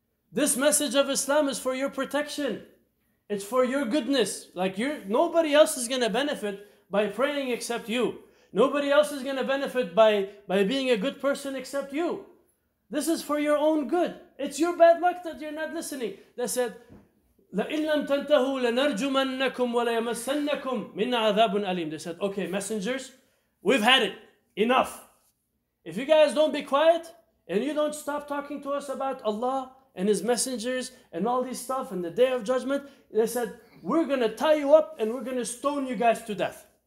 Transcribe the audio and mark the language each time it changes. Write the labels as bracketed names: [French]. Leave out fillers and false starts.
[English] This message of Islam is for your protection. It's for your goodness. Like, nobody else is gonna benefit by praying except you. Nobody else is gonna benefit by being a good person except you. This is for your own good. It's your bad luck that you're not listening. They said, [Arabic] لَإِنْ لَمْ تَنْتَهُوا لَنَرْجُمَنَّكُمْ وَلَيَمَسَّنَّكُمْ مِنَّ عَذَابٌ أَلِيمٌ. [English] They said, okay, messengers, we've had it. Enough. If you guys don't be quiet, and you don't stop talking to us about Allah and His messengers and all this stuff and the Day of Judgment, they said, we're going to tie you up and we're going to stone you guys to death.